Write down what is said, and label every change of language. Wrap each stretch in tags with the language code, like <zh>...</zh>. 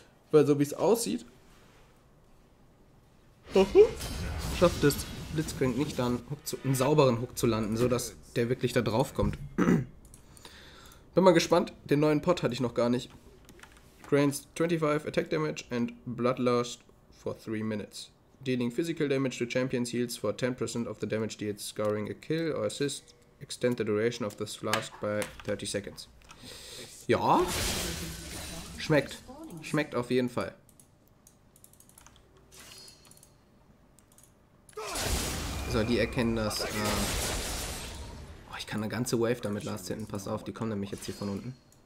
<de>Weil so wie es aussieht, schafft es Blitzcrank nicht, dann einen sauberen Hook zu landen, sodass der wirklich da drauf kommt. Bin mal gespannt, den neuen Pot hatte ich noch gar nicht.</de> <en>Grants 25 Attack Damage and Bloodlust for 3 Minutes. Dealing physical damage to champions heals for 10% of the damage deals scoring a kill or assist. Extend the duration of this flask by 30 seconds.</en> <de>Ja. Schmeckt. Schmeckt auf jeden Fall. So, die erkennen das. Oh, ich kann eine ganze Wave damit last hitten. Pass auf, die kommen nämlich jetzt hier von unten.</de>